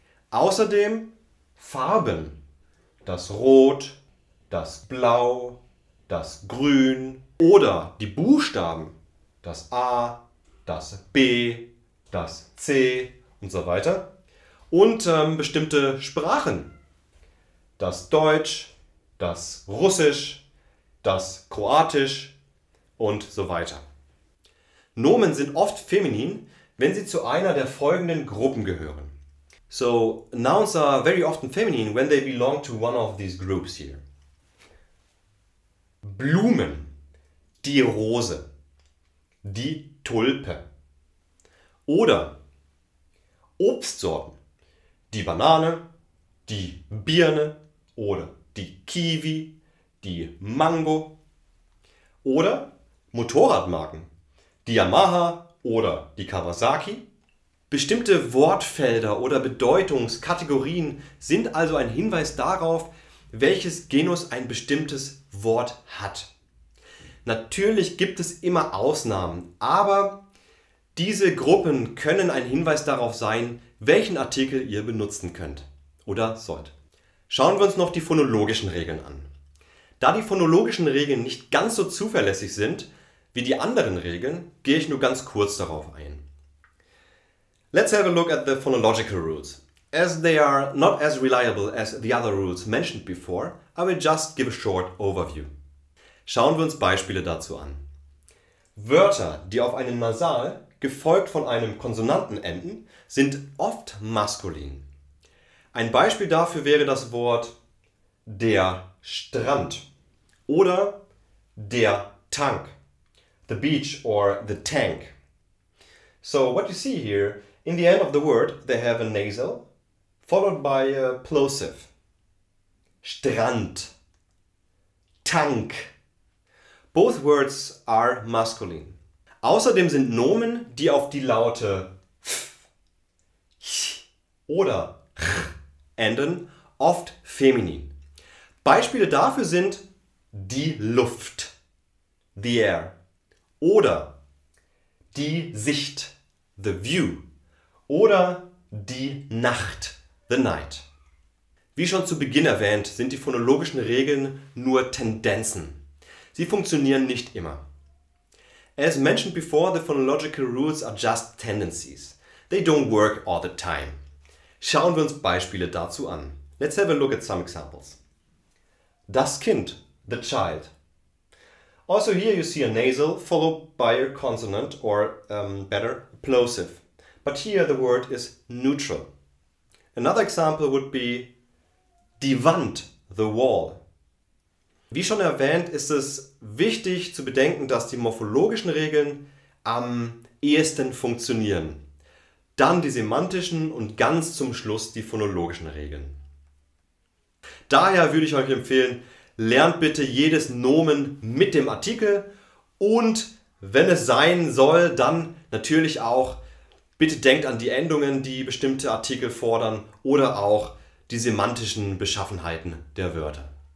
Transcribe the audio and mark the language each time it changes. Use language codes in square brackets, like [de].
[de] Außerdem Farben, das Rot, das Blau, das Grün oder die Buchstaben, das A, das B, das C und so weiter. Und bestimmte Sprachen, das Deutsch, das Russisch, das Kroatisch und so weiter. Nomen sind oft feminin, wenn sie zu einer der folgenden Gruppen gehören. [en] So, nouns are very often feminine when they belong to one of these groups here. [de] Blumen, die Rose, die Tulpe. Oder Obstsorten, die Banane, die Birne oder die Kiwi, die Mango oder Motorradmarken, die Yamaha oder die Kawasaki. Bestimmte Wortfelder oder Bedeutungskategorien sind also ein Hinweis darauf, welches Genus ein bestimmtes Wort hat. Natürlich gibt es immer Ausnahmen, aber diese Gruppen können ein Hinweis darauf sein, welchen Artikel ihr benutzen könnt oder sollt. Schauen wir uns noch die phonologischen Regeln an. Da die phonologischen Regeln nicht ganz so zuverlässig sind wie die anderen Regeln, gehe ich nur ganz kurz darauf ein. Let's have a look at the phonological rules. As they are not as reliable as the other rules mentioned before, I will just give a short overview. Schauen wir uns Beispiele dazu an. Wörter, die auf einen Nasal gefolgt von einem Konsonanten enden, sind oft maskulin. Ein Beispiel dafür wäre das Wort der Strand oder der Tank. [en] The beach or the tank. So what you see here, in the end of the word, they have a nasal followed by a plosive. Strand. Tank. Both words are masculine. [de] Außerdem sind Nomen, die auf die Laute f, ch oder ch enden, oft feminin. Beispiele dafür sind die Luft, [en] the air, [de] oder die Sicht, [en] the view, [de] oder die Nacht, [en] the night. [de] Wie schon zu Beginn erwähnt, sind die phonologischen Regeln nur Tendenzen. Sie funktionieren nicht immer. [en] As mentioned before, the phonological rules are just tendencies. They don't work all the time. [de] Schauen wir uns Beispiele dazu an. [en] Let's have a look at some examples. Das Kind, the child. Also here you see a nasal followed by a consonant or better, plosive. But here the word is neutral. Another example would be die Wand, the wall. [de] Wie schon erwähnt, ist es wichtig zu bedenken, dass die morphologischen Regeln am ehesten funktionieren. Dann die semantischen und ganz zum Schluss die phonologischen Regeln. Daher würde ich euch empfehlen, lernt bitte jedes Nomen mit dem Artikel und wenn es sein soll, dann natürlich auch bitte denkt an die Endungen, die bestimmte Artikel fordern oder auch die semantischen Beschaffenheiten der Wörter.